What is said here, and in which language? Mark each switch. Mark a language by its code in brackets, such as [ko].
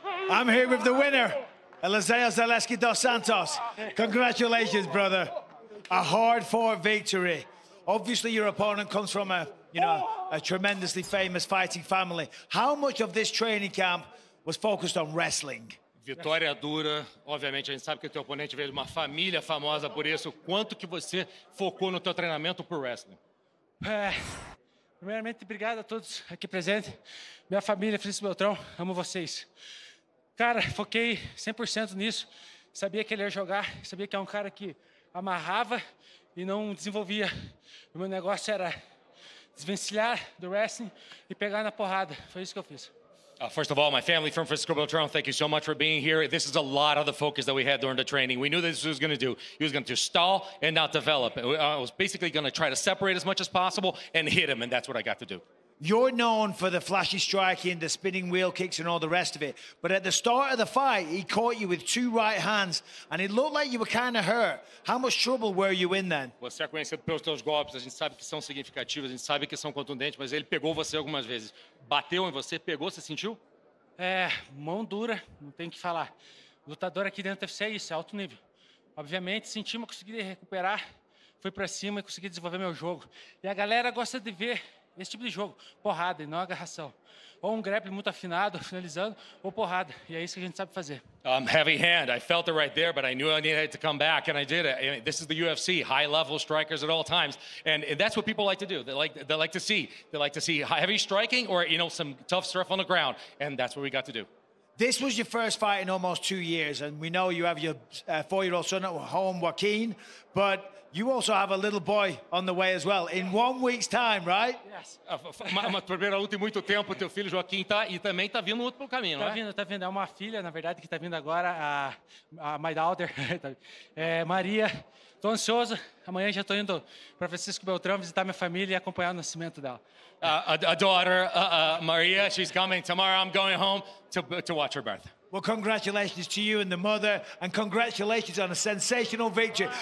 [en] I'm here with the winner, Elizeu Zaleski dos Santos. Congratulations, brother. A hard-fought victory. Obviously, your opponent comes from a, you know, a tremendously famous fighting family. How much of this training camp was focused on wrestling? [pt] Vitória dura. Obviamente, a gente sabe que o teu oponente veio de uma família famosa, por isso, quanto que você focou no teu treinamento pro wrestling? Primeiramente, obrigado a todos aqui presentes. Minha família, Felício Beltrão, amo vocês. Cara, foquei 100% nisso. Sabia que ele ia jogar, sabia que é um cara que amarrava e não desenvolvia. O meu negócio era desvencilhar do wrestling e pegar na porrada. Foi isso que eu fiz. [en] First of all, my family from Francisco Beltrán, thank you so much for being here. This is a lot of the focus that we had during the training. We knew this was going to do. He was going to stall and not develop. I was basically going to try to separate as much as possible and hit him, and that's what I got to do. You're known for the flashy striking, the spinning wheel kicks and all the rest of it. But at the start of the fight, he caught you with two right hands and it looked like you were kind of hurt. How much trouble were you in then? Well, [pt] você é conhecido pelos teus golpes, a gente sabe que são significativos, a gente sabe que são contundentes, mas ele pegou você algumas vezes. Bateu em você, pegou, você sentiu? É, mão dura, não tem o que falar. Lutador aqui dentro do UFC é isso, é alto nível. Obviamente, senti, mas consegui recuperar, fui pra cima e consegui desenvolver meu jogo. E a galera gosta de ver esse tipo de jogo, porrada e não agarração. Ou grappling muito afinado, finalizando, ou porrada. E é isso que a gente sabe fazer. [en] Heavy hand. I felt it right there, but I knew I needed to come back, and I did it. This is the UFC, high-level strikers at all times. And that's what people like to do. They like to see. They like to see heavy striking or, you know, some tough stuff on the ground. And that's what we got to do. This was your first fight in almost 2 years, and we know you have your four-year-old son at home, Joaquin, but you also have a little boy on the way as well, in 1 week's time, right? Yes. [pt] Uma primeira luta em muito tempo, teu filho Joaquim tá, e também tá vindo outro pelo caminho, né? Tá vindo. É uma filha, na verdade, que tá vindo agora, [en] a my daughter, [pt] Maria. Tô ansioso. Amanhã já tô indo para Francisco Beltrão visitar minha família e acompanhar o nascimento dela. [en] A daughter, Maria, she's coming. Tomorrow I'm going home to watch her birth. Well, congratulations to you and the mother, and congratulations on a sensational victory.